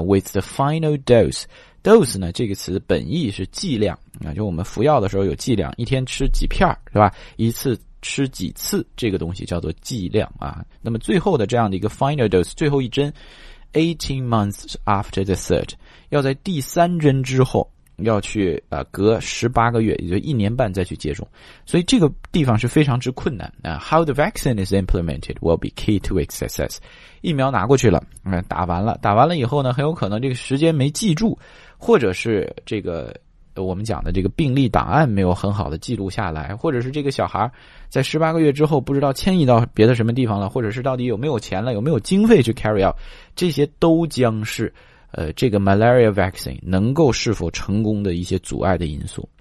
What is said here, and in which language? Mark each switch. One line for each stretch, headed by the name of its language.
English: With the final dose,
Chinese: dose 呢这个词本意是剂量啊，就我们服药的时候有剂量，一天吃几片是吧，一次吃几次，这个东西叫做剂量啊。那么最后的这样的一个 final dose, 最后一针 ,
English: 18 months after the third,
Chinese: 要在第三针之后要去隔18个月，也就一年半再去接种。所以这个地方是非常之困难啊。
English: How the vaccine is implemented will be key to its success.
Chinese: 疫苗拿过去了，打完了。打完了以后呢，很有可能这个时间没记住，或者是这个我们讲的这个病例档案没有很好的记录下来，或者是这个小孩在18个月之后不知道迁移到别的什么地方了，或者是到底有没有钱了，有没有经费去
English: carry out,
Chinese: 这些都将是这个 malaria vaccine 能够是否成功的一些阻碍的因素。